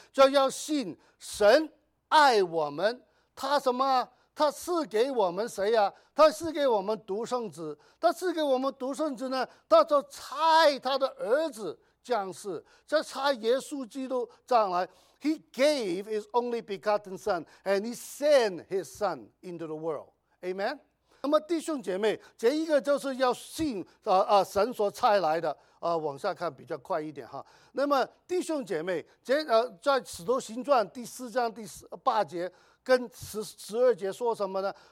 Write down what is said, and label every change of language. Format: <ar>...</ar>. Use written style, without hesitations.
<zh>就要信神爱我们，他什么？他赐给我们谁呀？他赐给我们独生子。他赐给我们独生子呢，他就差他的儿子降世，这差耶稣基督降来。</zh> <en>He gave his only begotten son, and he sent his son into the world. Amen.</en> <zh>那么弟兄姐妹，这一个就是要信神所差来的啊。往下看比较快一点哈。那么弟兄姐妹，在使徒行传第4章第18节跟12节说什么呢？</zh>